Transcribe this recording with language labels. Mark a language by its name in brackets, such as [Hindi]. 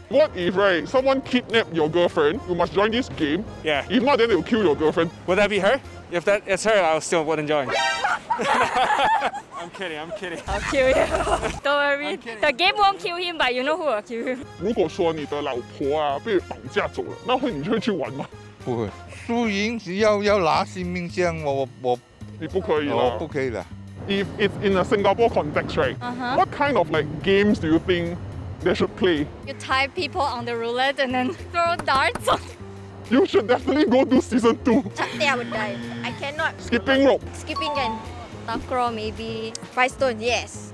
[English] What if right, someone kidnap your girlfriend, you must join this game. Yeah. If not, then they'll kill your girlfriend. Would that be her? If that is her, I still wouldn't join. I'm kidding. I'll kill you. Don't worry. The game won't kill him, but you know who will kill him. [Chinese] 如果说你的老婆啊被绑架走了，那会你会去玩吗？不会，输赢只要拿性命这样，我不可以了。 [English] If it's in a Singapore context, right? Uh-huh. What kind of like games do you think they should play? You tie people on the roulette and then throw darts on. You should definitely go do season 2. Chakte, I would die. I cannot. Skipping rope. Skipping and tough crawl maybe. 5 stones, yes.